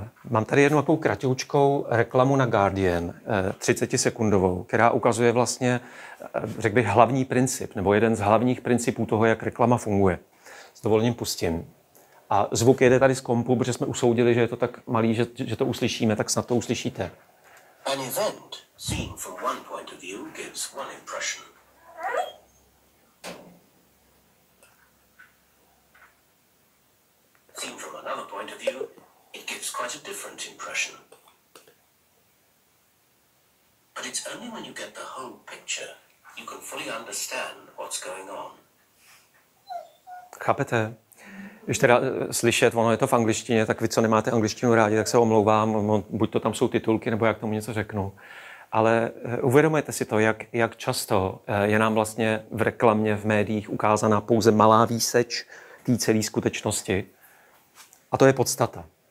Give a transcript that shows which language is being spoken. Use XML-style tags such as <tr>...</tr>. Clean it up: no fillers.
<cs>Mám tady jednu takovou kratoučkou reklamu na Guardian, 30-sekundovou, která ukazuje vlastně, řekl bych, hlavní princip, nebo jeden z hlavních principů toho, jak reklama funguje. S dovolením pustím. A zvuk jede tady z kompu, protože jsme usoudili, že je to tak malý, že to uslyšíme, tak snad to uslyšíte.</cs> <en>An event seen from one point of view gives one impression. Seen from another point of view, it gives quite a different impression. But it's only when you get the whole picture, you can fully understand what's going on.</en> <cs>Chápete? Když teda slyšet, ono je to v angličtině, tak vy, co nemáte angličtinu rádi, tak se omlouvám, buď to tam jsou titulky, nebo já k tomu něco řeknu. Ale uvědomujete si to, jak často je nám vlastně v reklamě, v médiích ukázaná pouze malá výseč té celé skutečnosti. A to je podstata.</cs>